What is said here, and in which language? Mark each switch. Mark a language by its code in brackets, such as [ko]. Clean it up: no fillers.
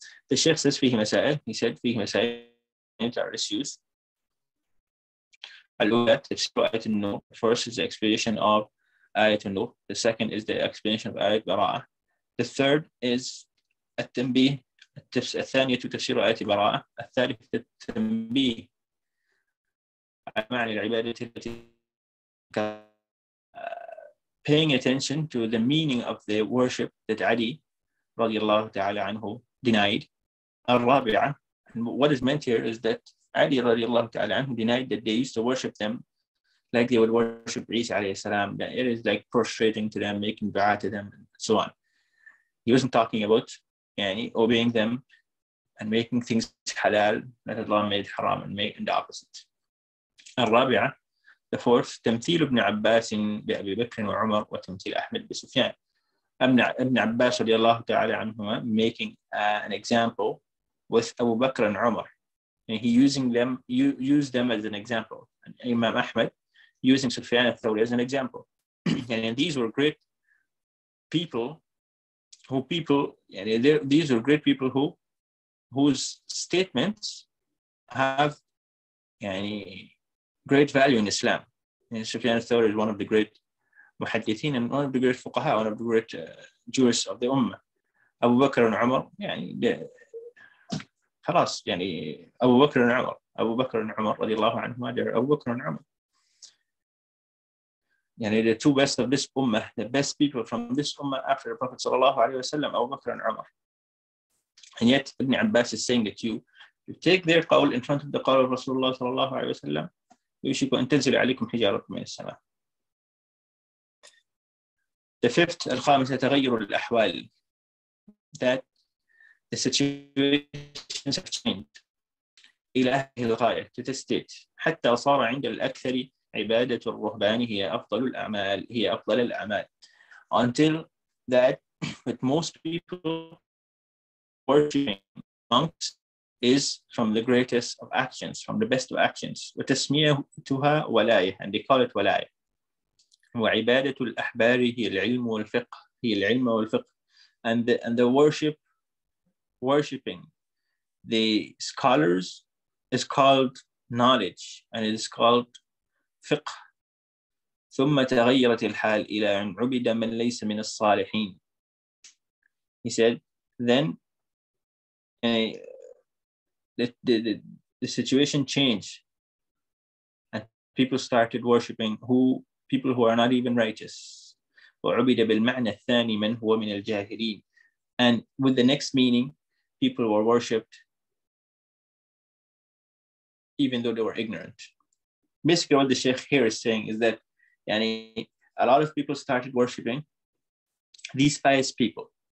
[en] The Sheikh says, [ar] فيه مسائل. [en] He said, فيه مسائل. It are issues. [ar] الأولى تفسير آية النور. [en] First is the explanation of آية النور. The second is the explanation of آية براءة. The third is التنبيه. [ar] الثانية تكسير آية براءة. الثالثة التنبيه على معنى العبادة التي [en] paying attention to the meaning of the worship that Ali رضي الله تعالى عنه denied. الرابعة, what is meant here is that Ali رضي الله تعالى عنه denied that they used to worship them like they would worship Isa عليه السلام, that it is like prostrating to them, making dua to them, and so on. He wasn't talking about يعني obeying them and making things halal that Allah made haram and made the opposite. [ar] الرابعة, [en] the fourth, [ar] تمثيل ابن عباس بأبي بكر وعمر وتمثيل أحمد بسفيان. [en] ابن عباس رضي الله تعالى عنهما making an example with Abu Bakr and Umar. And he using them, use them as an example. And Imam Ahmed using Sufyan al-Thawri as an example. And these were great people who people, and these were great people who whose statements have yani great value in Islam. And Sufyan al-Thawri is one of the great muhaddithin and one of the great fuqaha, one of the great jurists of the ummah. Abu Bakr and Umar, yani [ar] خلاص يعني أبو بكر وعمر, أبو بكر وعمر رضي الله عنهما, أبو بكر وعمر يعني [en] the two best of this ummah, the best people from this ummah after the Prophet صلى الله عليه وسلم, أبو بكر وعمر. And yet ابن عباس is saying that you take their قول in front of the قول of Rasulullah صلى الله عليه وسلم, [ar] يوشك أن تنزل عليكم حجارة من السماء. [en] The fifth, الخامسة, [ar] تغير الأحوال, [en] that the situations have changed. [ar] إلى هذه الغاية [en] to this state. [ar] حتى صار عند الأكثر عبادة الرهبان هي أفضل الأعمال, هي أفضل الأعمال. [en] Until that, with most people worshiping monks is from the greatest of actions, from the best of actions. [ar] وتسميتها ولاية, [en] and they call it ولاية. [ar] وعبادة الأحبار هي العلم والفقه, هي العلم والفقه. [en] And the worship, worshipping the scholars is called knowledge and it is called fiqh. [ar] ثم تغيرت الحال إلى أن عبد من ليس من الصالحين. [en] He said, then the situation changed and people started worshipping people who are not even righteous. [ar] وعبد بالمعنى الثاني من هو من الجاهلين. [en] And with the next meaning, people were worshipped even though they were ignorant. Basically, what the Sheikh here is saying is that yani, a lot of people started worshipping these pious people.